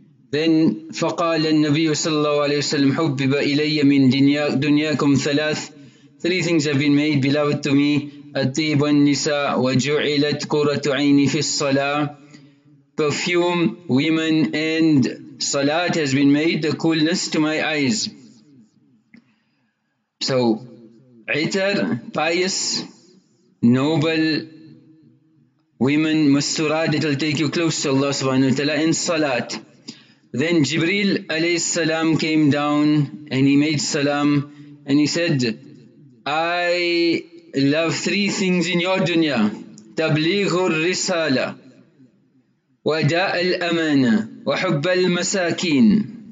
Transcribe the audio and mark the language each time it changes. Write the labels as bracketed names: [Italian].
[English] Then [Arabic] فقال النبي صلى الله عليه وسلم حبب إلي من دنياكم ثلاث. [English] Three things have been made beloved to me. [Arabic] الطيب والنساء وجعلت قرة عيني في الصلاة. [English] Perfume, women and salat has been made the coolness to my eyes. So, عتر, pious, noble women, مستورات, it will take you close to Allah subhanahu wa ta'ala in salat. Then Jibreel alayhi salam came down and he made salam and he said, I love three things in your dunya. [Arabic] تبليغ الرسالة وأداء الأمانة وحب المساكين.